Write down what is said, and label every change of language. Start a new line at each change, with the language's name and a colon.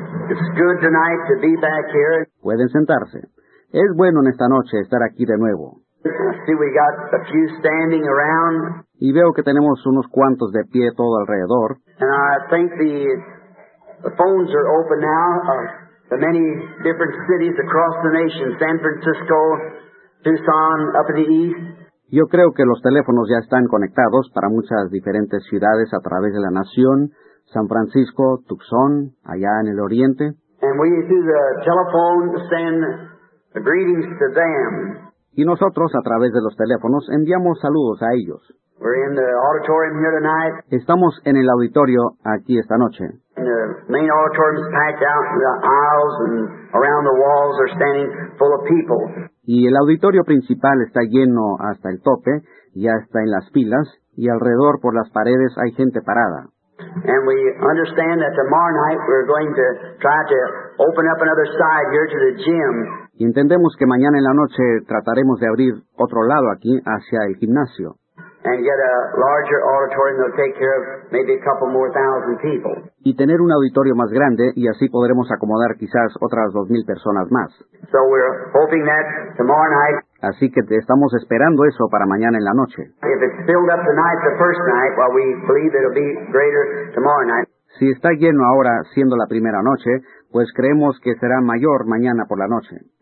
English: It's good tonight to be back here.
Spanish: Pueden sentarse. Es bueno en esta noche estar aquí de nuevo.
English: See, we got a few standing around.
Spanish: Y veo que tenemos unos cuantos de pie todo alrededor.
English: And I think the phones are open now to many different cities across the nation, San Francisco, Tucson, up in the east.
Spanish: Yo creo que los teléfonos ya están conectados para muchas diferentes ciudades a través de la nación, San Francisco, Tucson, allá en el oriente.
English: And we, through the telephone, send greetings to them.
Spanish: Y nosotros, a través de los teléfonos, enviamos saludos a ellos.
English: We're in the auditorium here tonight.
Spanish: Estamos en el auditorio aquí esta noche.
English: The main auditorium is packed out, the aisles and around the walls are standing full of people.
Spanish: Y el auditorio principal está lleno hasta el tope, ya está en las filas, y alrededor por las paredes hay gente parada.
English: And we understand that tomorrow night we're going to try to open up another side here to the gym.
Spanish: Y entendemos que mañana en la noche trataremos de abrir otro lado aquí hacia el gimnasio.
English: And get a larger auditorium that'll take care of maybe a couple more thousand people.
Spanish: Y tener un auditorio más grande y así podremos acomodar quizás otras 2,000 personas más.
English: So we're hoping that tomorrow night.
Spanish: Así que estamos esperando eso para mañana en la noche.
English: If it's filled up tonight, the first night, well, we believe it'll be greater tomorrow night.
Spanish: Si está lleno ahora, siendo la primera noche, pues creemos que será mayor mañana por la noche.